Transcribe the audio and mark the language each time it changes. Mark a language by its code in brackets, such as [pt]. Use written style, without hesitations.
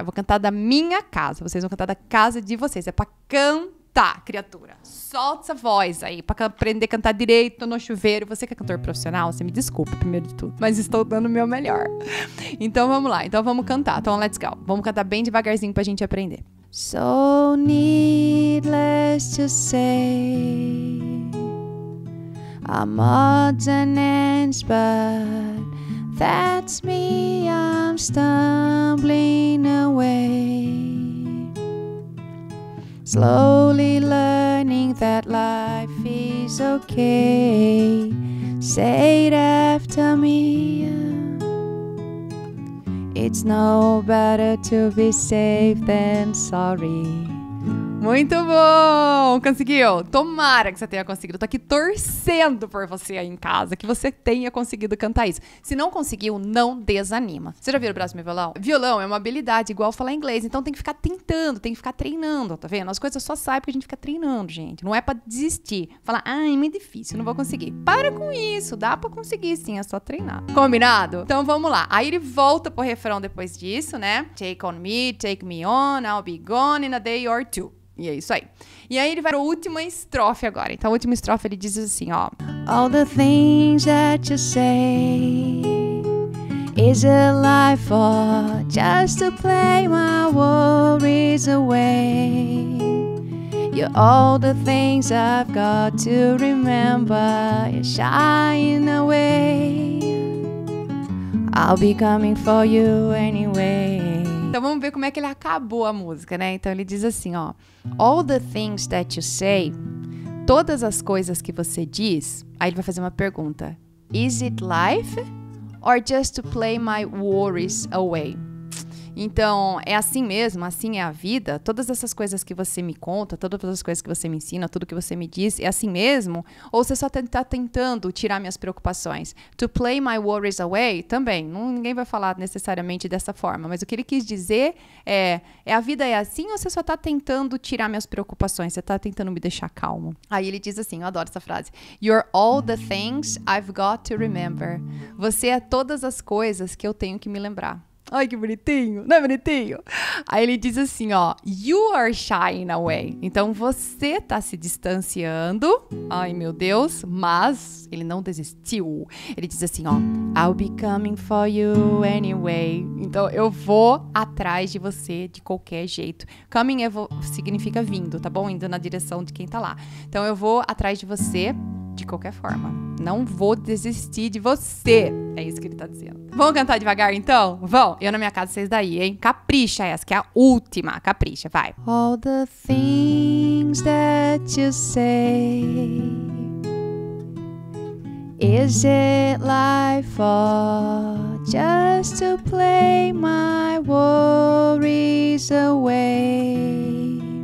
[pt] Eu vou cantar da minha casa. Vocês vão cantar da casa de vocês. É pra cantar, criatura. Solta essa voz aí, pra aprender a cantar direito no chuveiro. Você que é cantor profissional, você me desculpa, primeiro de tudo. Mas estou dando o meu melhor. Então vamos lá, então vamos cantar. Então [en] let's go. [pt] Vamos cantar bem devagarzinho pra gente aprender. [en] So needless to say, I'm odds and ends, but that's me, I'm stumbling away. Slowly learning that life is okay. Say it after me. It's no better to be safe than sorry. [pt] Muito bom! Conseguiu! Tomara que você tenha conseguido. Tô aqui torcendo por você aí em casa, que você tenha conseguido cantar isso. Se não conseguiu, não desanima. Você já viu o braço do meu violão? Violão é uma habilidade igual falar inglês, então tem que ficar tentando, tem que ficar treinando, tá vendo? As coisas só saem porque a gente fica treinando, gente. Não é pra desistir. Falar, ai, é muito difícil, não vou conseguir. Para com isso, dá pra conseguir sim, é só treinar. Combinado? Então vamos lá. Aí ele volta pro refrão depois disso, né? [en] Take on me, take me on, I'll be gone in a day or two. [pt] E é isso aí. E aí ele vai para a última estrofe agora. Então a última estrofe ele diz assim, ó. [en] All the things that you say, is a life or just to play my worries away? You're all the things I've got to remember, you're shying away. I'll be coming for you anyway. [pt] Então vamos ver como é que ele acabou a música, né? Então ele diz assim, ó. [en] All the things that you say, [pt] todas as coisas que você diz, aí ele vai fazer uma pergunta. [en] Is it life or just to play my worries away? [pt] Então, é assim mesmo, assim é a vida. Todas essas coisas que você me conta, todas as coisas que você me ensina, tudo que você me diz, é assim mesmo? Ou você só tá tentando tirar minhas preocupações? [en] To play my worries away, [pt] também. Ninguém vai falar necessariamente dessa forma. Mas o que ele quis dizer é a vida é assim ou você só tá tentando tirar minhas preocupações? Você tá tentando me deixar calmo? Aí ele diz assim, eu adoro essa frase. [en] You're all the things I've got to remember. [pt] Você é todas as coisas que eu tenho que me lembrar. Ai, que bonitinho. Não é bonitinho? Aí ele diz assim, ó. [en] You are shying away. [pt] Então, você tá se distanciando. Ai, meu Deus. Mas ele não desistiu. Ele diz assim, ó. [en] I'll be coming for you anyway. [pt] Então, eu vou atrás de você de qualquer jeito. Coming significa vindo, tá bom? Indo na direção de quem tá lá. Então, eu vou atrás de você de qualquer forma. Não vou desistir de você. É isso que ele tá dizendo. Vão cantar devagar, então? Vão. Eu na minha casa, vocês daí, hein? Capricha essa, que é a última. Capricha, vai. [en] All the things that you say, is it life or just to play my worries away?